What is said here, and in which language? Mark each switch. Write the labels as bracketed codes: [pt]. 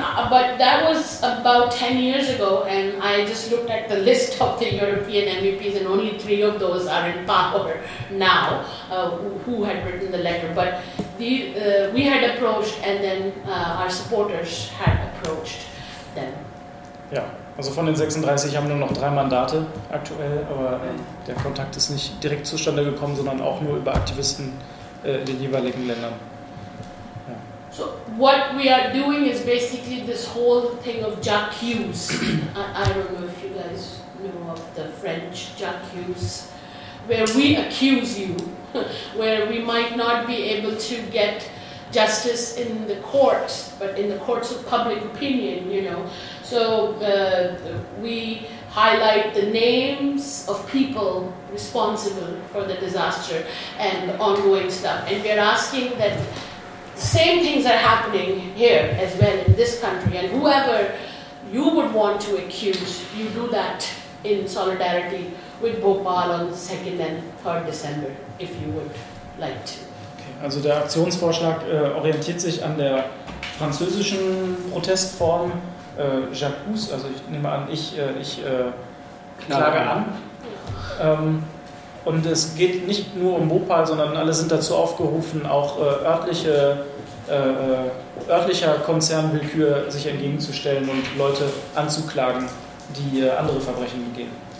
[en] But that was about 10 years ago, and I just looked at the list of the European MEPs, and only 3 of those are in power now, who had written the letter. But we had approached, and then our supporters had approached them. [de] Ja, also von den 36 haben nur noch 3 Mandate aktuell, aber der Kontakt ist nicht direkt zustande gekommen, sondern auch nur über Aktivisten in den jeweiligen Ländern. [en] So what we are doing is basically this whole thing of Jack Hughes. I don't know if you guys know of the French Jack Hughes, where we accuse you, where we might not be able to get justice in the courts, but in the courts of public opinion, you know. So we highlight the names of people responsible for the disaster and the ongoing stuff. And we are asking that same things are happening here as well in this country, and whoever you would want to accuse, you do that in solidarity with Bhopal on 2nd and 3rd December, if you would like to. [de] Okay, also der Aktionsvorschlag orientiert sich an der französischen Protestform Jacques, also ich nehme an, ich klage an. Und es geht nicht nur um Bhopal, sondern alle sind dazu aufgerufen, auch örtlicher Konzernwillkür sich entgegenzustellen und Leute anzuklagen, die andere Verbrechen begehen.